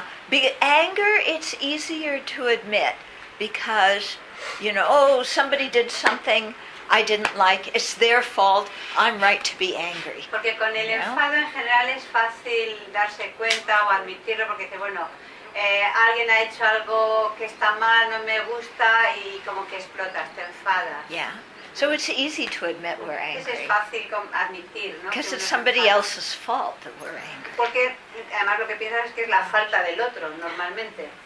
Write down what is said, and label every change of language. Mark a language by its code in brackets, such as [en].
[en] Because anger, it's easier to admit because, you know, oh, somebody did something I didn't like, it's their fault, I'm right to be angry. [es] Porque con el enfado en general es fácil darse cuenta o admitirlo porque dice, bueno, alguien ha hecho algo que está mal, no me gusta y como que explotas, te enfadas. [en] Yeah. So it's easy to admit we're angry. [es] Es fácil admitir, ¿no? [en] Because it's somebody else's fault that we're angry. [es] Porque además lo que piensas es que es la falta del otro, normalmente.